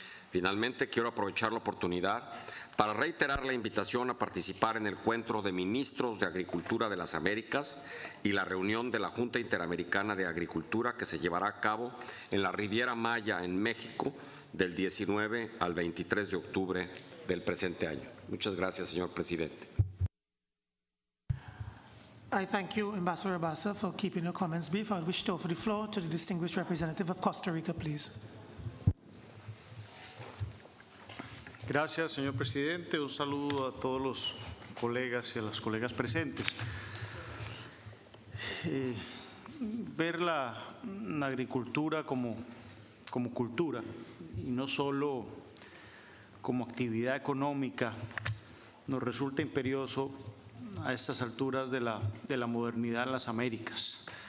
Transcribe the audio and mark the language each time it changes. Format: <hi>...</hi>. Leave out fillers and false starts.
<es>Finalmente, quiero aprovechar la oportunidad para reiterar la invitación a participar en el encuentro de ministros de Agricultura de las Américas y la reunión de la Junta Interamericana de Agricultura que se llevará a cabo en la Riviera Maya, en México, del 19 al 23 de octubre del presente año. Muchas gracias, señor presidente.</es> <en>I thank you, Ambassador Barbosa, for keeping your comments brief. I wish to offer the floor to the distinguished representative of Costa Rica, please.</en> <es>Gracias, señor presidente. Un saludo a todos los colegas y a las colegas presentes. Ver la agricultura como cultura y no solo como actividad económica nos resulta imperioso a estas alturas de la modernidad en las Américas.</es>